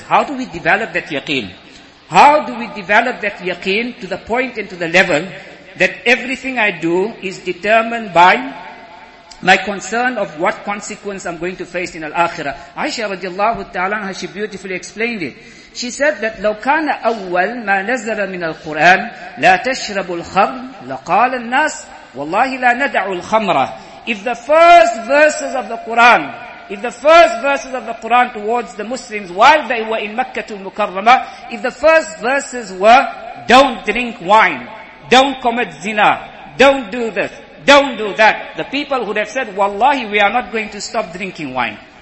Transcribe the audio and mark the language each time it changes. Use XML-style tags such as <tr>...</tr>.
<en>How do we develop that yaqeen? How do we develop that yaqeen to the point and to the level that everything I do is determined by my concern of what consequence I'm going to face in al-akhirah? Aisha radiallahu ta'ala, how she beautifully explained it. She said that</en> <ar>لو كان أول ما نزل من القرآن لا تشرب الخمر لقال الناس والله لا ندع الخمرة.</ar> <en>If the first verses of the Quran, if the first verses of the Quran towards the Muslims while they were in Makkah al-Mukarramah, if the first verses were don't drink wine, don't commit zina, don't do this, don't do that, the people would have said, wallahi, we are not going to stop drinking wine.</en>